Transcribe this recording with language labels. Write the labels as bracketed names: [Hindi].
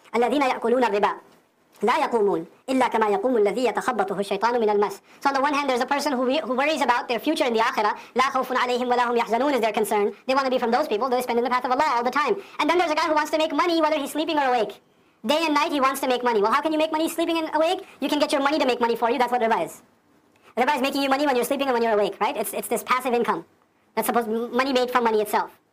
[Arabic] الذين يأكلون الربا لا يقومون إلا كما يقوم الذي يتخبطه الشيطان من المس. [English] So on the one hand, there's a person who worries about their future in the akhirah. [Arabic] لا خوف عليهم ولا هم يحزنون [English] is their concern. They want to be from those people. They spend in the path of Allah all the time. And then there's a guy who wants to make money, whether he's sleeping or awake. Day and night, he wants to make money. Well, how can you make money sleeping and awake? You can get your money to make money for you. That's what riba is. Riba is making you money when you're sleeping and when you're awake, right? It's this passive income. That's supposed money made from money itself.